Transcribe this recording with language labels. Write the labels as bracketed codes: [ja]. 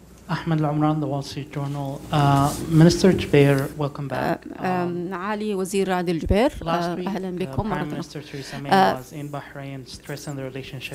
[en] أحمد العمران، The Wall Street Journal. Minister Jubair, welcome back. [ar] علي وزير عادل الجبير، أهلا بكم. [en] Prime Minister Theresa May was in Bahrain, stressing the relationship.